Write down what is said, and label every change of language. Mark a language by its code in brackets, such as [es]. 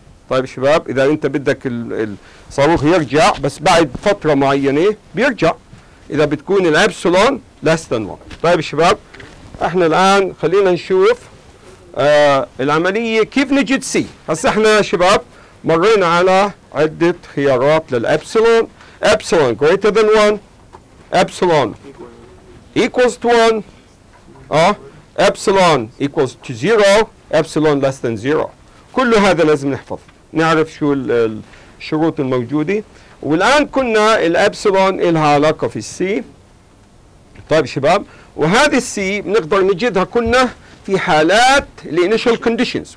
[ar] طيب شباب, إذا أنت بدك الصاروخ يرجع بس بعد فترة معينة بيرجع إذا بتكون الأبسلون [en] less than one. [ar] طيب شباب, احنا الآن خلينا نشوف العملية كيف نجد سي. هسا احنا شباب مرينا على عدة خيارات للأبسلون. [en] epsilon greater than 1, epsilon equals to 1, epsilon equals to 0, epsilon less than 0. [ar] كل هذا لازم نحفظ نعرف شو الشروط الموجودة. والآن كنا الأبسلون إلها علاقة في السي. طيب شباب، وهذه السي بنقدر نجدها كنا في حالات الانيشال كونديشنز.